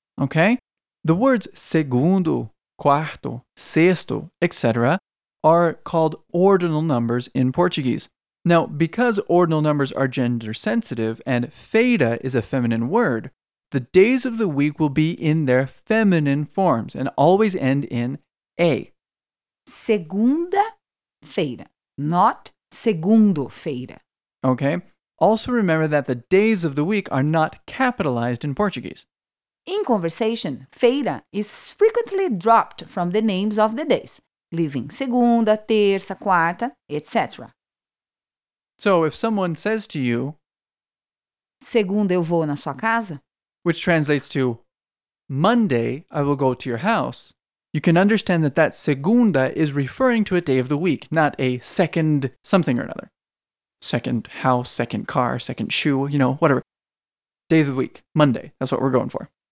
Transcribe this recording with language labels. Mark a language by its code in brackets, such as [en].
[en] Okay? The words segundo, quarto, sexto, etc. are called ordinal numbers in Portuguese. Now, because ordinal numbers are gender sensitive and feira is a feminine word, the days of the week will be in their feminine forms and always end in a. [pt] Segunda-feira, not segundo-feira. [en] Okay. Also remember that the days of the week are not capitalized in Portuguese. In conversation, feira is frequently dropped from the names of the days, leaving segunda, terça, quarta, etc. So if someone says to you, [pt] segunda eu vou na sua casa, [en] which translates to Monday I will go to your house, you can understand that that segunda is referring to a day of the week, not a second something or another. Second house, second car, second shoe, you know, whatever. day of the week, Monday. That's what we're going for.